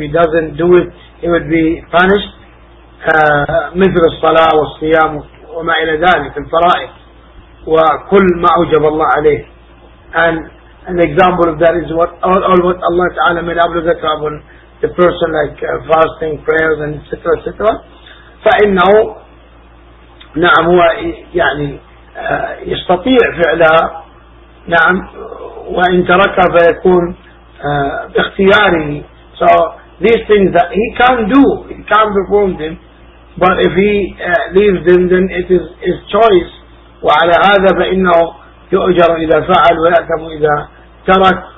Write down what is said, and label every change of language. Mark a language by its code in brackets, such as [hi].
[en] If he doesn't do it, he will be punished. [ar] مثل الصلاة والصيام وما إلى ذلك الفرائض وكل ما أوجب الله عليه. [en] And an example of that is what Allah Ta'ala made obligatory on the person, like fasting, prayers, and etc. etc. [ar] فإنه نعم هو يعني يستطيع فعلها نعم، وإن تركها فيكون باختياره. [en] So these things that he can do, he can perform them, but if he leaves them then it is his choice. [ar] وعلى هذا فإنه يؤجر إذا فعل ويأثم إذا ترك.